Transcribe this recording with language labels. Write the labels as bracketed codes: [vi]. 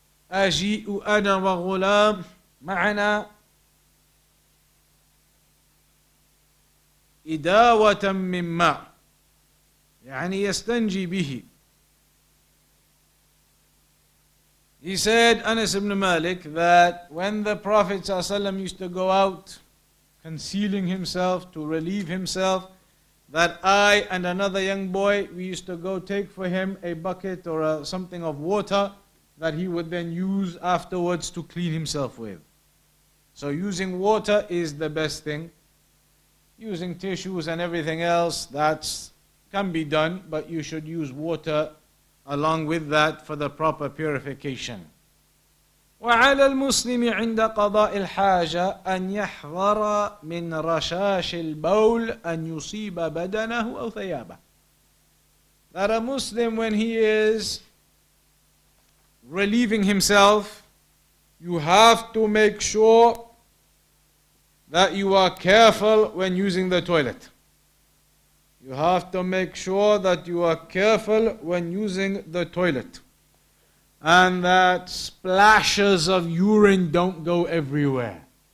[ar] أجيء أنا وغلام معنا إداوة من ماء، يعني يستنجي به. [en] He said, Anas ibn Malik, that when the Prophet ﷺ used to go out concealing himself to relieve himself, that I and another young boy, we used to go take for him a bucket or something of water that he would then use afterwards to clean himself with. So using water is the best thing. Using tissues and everything else, that can be done, but you should use water along with that for the proper purification. [ar] وعلى المسلم عند قضاء الحاجة أن يحذر من رشاش البول أن يصيب بدنه أو ثيابه. [en] That a Muslim, when he is relieving himself, you have to make sure that you are careful when using the toilet. You have to make sure that you are careful when using the toilet, and that splashes of urine don't go everywhere.